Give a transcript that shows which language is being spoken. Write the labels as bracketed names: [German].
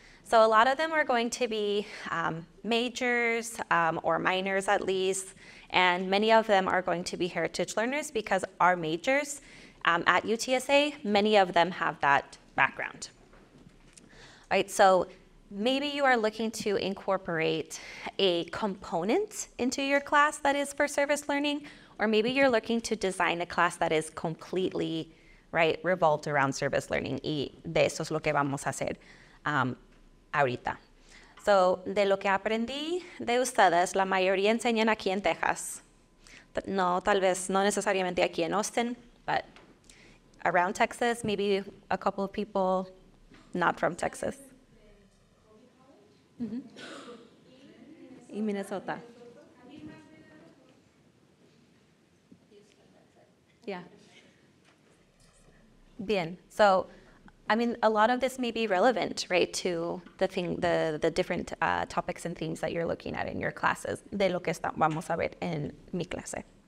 [English] So a lot of them are going to be majors or minors at least, and many of them are going to be heritage learners because our majors at UTSA, many of them have that background. All right, so maybe you are looking to incorporate a component into your class that is for service learning, or maybe you're looking to design a class that is completely, right, revolved around service learning. [Spanish] Y de eso es lo que vamos a hacer ahorita. So, de lo que aprendí de ustedes, la mayoría enseñan aquí en Texas. [English] But no, [Spanish] tal vez, no necesariamente aquí en Austin, [English] but around Texas, maybe a couple of people not from Texas. Mm-hmm. In Minnesota. Yeah. [Spanish] Bien. [English] So, I mean, a lot of this may be relevant, right, to the different topics and themes that you're looking at in your classes. [Spanish] De lo que vamos a ver en mi clase.